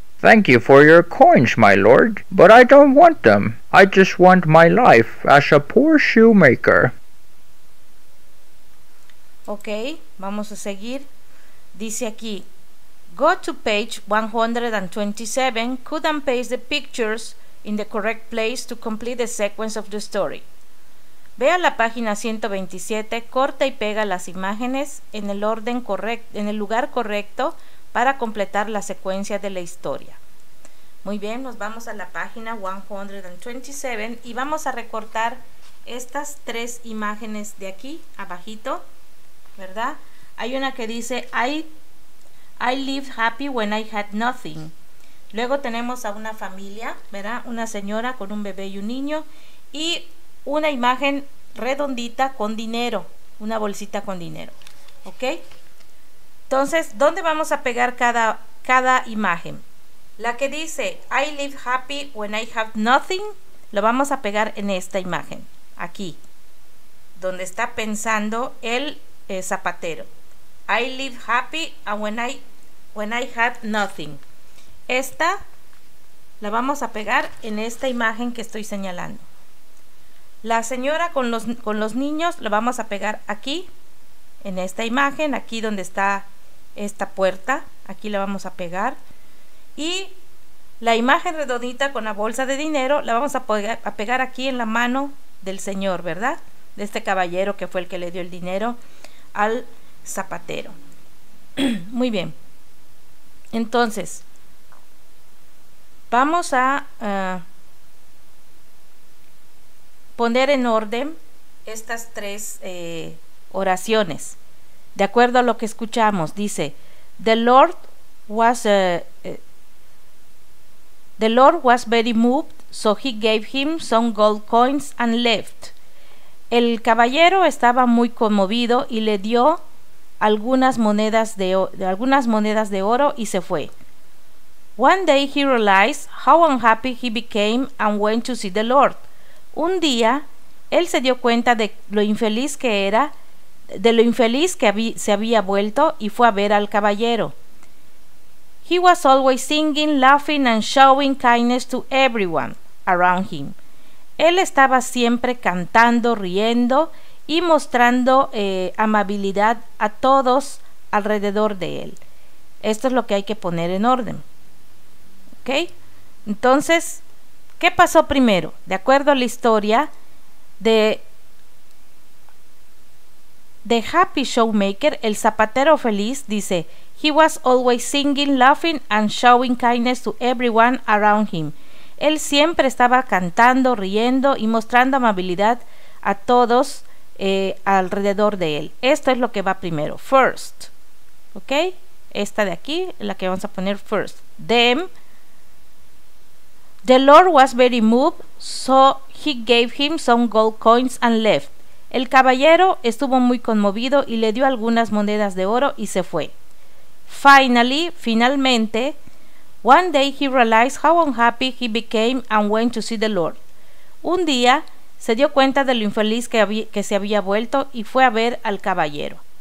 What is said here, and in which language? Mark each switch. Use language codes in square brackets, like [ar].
[en] "Thank you for your coins, my lord, but I don't want them. I just want my life as a poor shoemaker." [es] Ok, vamos a seguir. Dice aquí, [en] go to page 127, cut and paste the pictures in the correct place to complete the sequence of the story. [es] Ve a la página 127, corta y pega las imágenes en el orden correcto, en el lugar correcto para completar la secuencia de la historia. Muy bien, nos vamos a la página 127 y vamos a recortar estas tres imágenes de aquí abajito, ¿verdad? Hay una que dice [en] I lived happy when I had nothing. [es] Luego tenemos a una familia, ¿verdad? Una señora con un bebé y un niño, y una imagen redondita con dinero, una bolsita con dinero, ¿ok? Entonces, ¿dónde vamos a pegar cada imagen? La que dice [en] I live happy when I have nothing, [es] lo vamos a pegar en esta imagen, aquí, donde está pensando el zapatero. [en] I live happy and when I have nothing. [es] Esta la vamos a pegar en esta imagen que estoy señalando. La señora con los niños lo vamos a pegar aquí, en esta imagen, aquí donde está esta puerta, aquí la vamos a pegar. Y la imagen redondita con la bolsa de dinero la vamos a pegar aquí en la mano del señor, ¿verdad? De este caballero que fue el que le dio el dinero al zapatero. Muy bien. Entonces, vamos a poner en orden estas tres oraciones. De acuerdo a lo que escuchamos, dice, [en] The Lord was very moved, so he gave him some gold coins and left. [es] El caballero estaba muy conmovido y le dio algunas monedas de oro y se fue. [en] One day he realized how unhappy he became and went to see the Lord. [es] Un día, él se dio cuenta de lo infeliz que era, de lo infeliz que se había vuelto, y fue a ver al caballero. [en] He was always singing, laughing and showing kindness to everyone around him. [es] Él estaba siempre cantando, riendo y mostrando amabilidad a todos alrededor de él. Esto es lo que hay que poner en orden. ¿Ok? Entonces, ¿qué pasó primero? De acuerdo a la historia de The Happy Showmaker, el zapatero feliz, dice, [en] he was always singing, laughing and showing kindness to everyone around him. [es] Él siempre estaba cantando, riendo y mostrando amabilidad a todos alrededor de él. Esto es lo que va primero, first. ¿Ok? Esta de aquí, la que vamos a poner first. [en] Then, the Lord was very moved, so he gave him some gold coins and left. [es] El caballero estuvo muy conmovido y le dio algunas monedas de oro y se fue. [en] Finalmente, one day he realized how unhappy he became and went to see the Lord. [es] Un día se dio cuenta de lo infeliz que se había vuelto y fue a ver al caballero.